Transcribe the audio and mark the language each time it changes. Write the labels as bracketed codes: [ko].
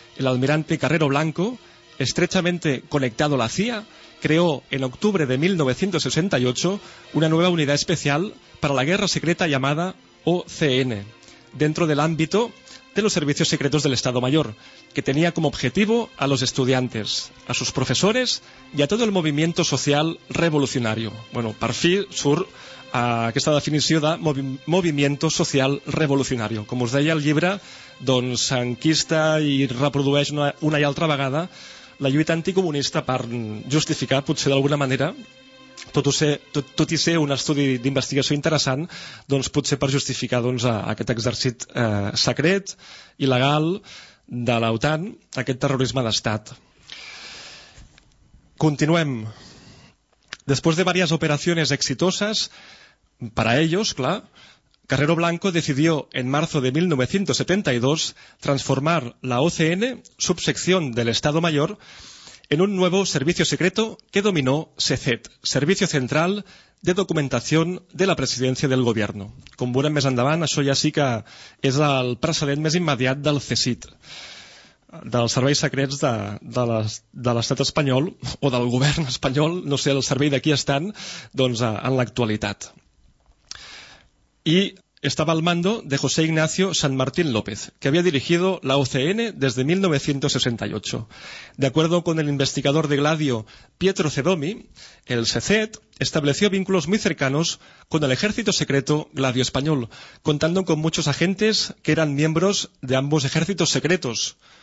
[es] El almirante Carrero Blanco, estrechamente conectado a la CIA, creó en octubre de 1968 una nueva unidad especial para la guerra secreta llamada OCN, dentro del ámbito de los servicios secretos del Estado Mayor, que tenía como objetivo a los estudiantes, a sus profesores y a todo el movimiento social revolucionario. [ca] Bueno, per fi surt aquesta definició de [es] movimiento social revolucionario. [ca] Com us deia, el llibre s'enquista i reprodueix una i altra vegada la lluita anticomunista per justificar, potser d'alguna manera, tot i ser un estudi d'investigació interessant, doncs potser per justificar aquest exèrcit secret, il·legal, de l'OTAN, aquest terrorisme d'estat. Continuem. Després de diverses operacions exitoses, per a ells, clar, [es] Carrero Blanco decidió en marzo de 1972 transformar la OCN, subsección del Estado Mayor, en un nuevo servicio secreto que dominó SECET, Servicio Central de Documentación de la Presidencia del Gobierno. [ca] Com veurem més endavant, això ja sí que és el precedent més immediat del CSIC, dels serveis secrets de l'Estat espanyol o del govern espanyol, no sé el servei de qui estan, doncs en l'actualitat. I estava [es] al mando de José Ignacio San Martín López, que había dirigido la OCN desde 1968. De acuerdo con el investigador de Gladio, Pietro Cedomi, el SECET estableció vínculos muy cercanos con el ejército secreto Gladio español, contando con muchos agentes que eran miembros de ambos ejércitos secretos.